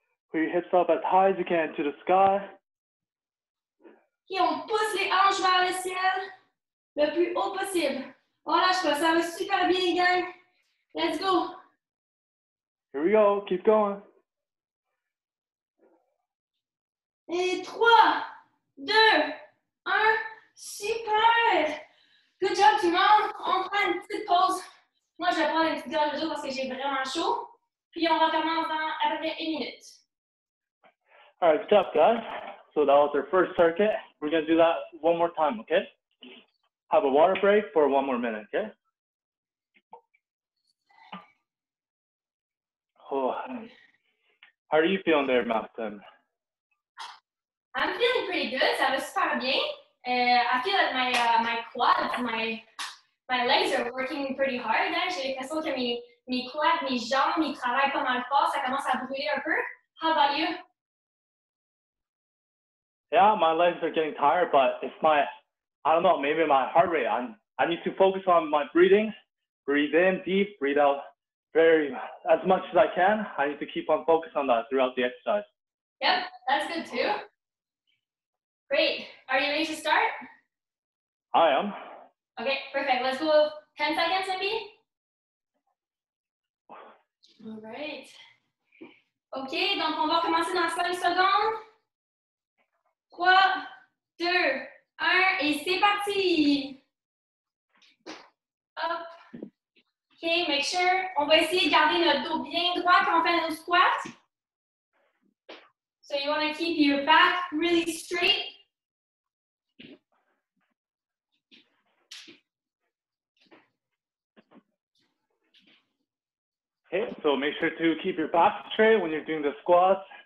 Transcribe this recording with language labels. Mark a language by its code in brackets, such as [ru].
[en] Put your hips up as high as you can to the sky. [fr] OK, on pousse les hanches vers le ciel le plus haut possible. On lâche pas, ça va super bien, gang. [en] Let's go! Here we go, keep going. [fr] Et 3, 2, 1, super! [en] Good job, [fr] tout le monde. On prend une petite pause. Moi, je vais prendre une petite gorge d'eau parce que j'ai vraiment chaud. Puis on recommence dans à peu près une minute. [en] All right, good job, guys. So that was our first circuit. We're going to do that one more time, okay? Have a water break for one more minute, okay? Oh, how are you feeling there, Maxymme? I'm feeling pretty good. [fr] Ça va super bien. [en] I feel like my quads, my legs are working pretty hard. Hein? [fr] J'ai l'impression que mes quads, mes jambes, ils travaillent pas mal fort. Ça commence à brûler un peu. [en] How about you? Yeah, my legs are getting tired, but it's my, I don't know, maybe my heart rate. I need to focus on my breathing. Breathe in deep, breathe out. Very, as much as I can, I need to keep on focus on that throughout the exercise. Yep, that's good too. Great. Are you ready to start? I am. Okay, perfect. Let's go 10 seconds maybe. All right. [fr] Okay, donc on va commencer dans 5 secondes. 3, 2, 1, et c'est parti! Hop. [en] Okay, make sure. [fr] On va essayer de garder notre dos bien droit quand on fait nos squats. [en] So you want to keep your back really straight. Okay, so make sure to keep your back straight when you're doing the squats.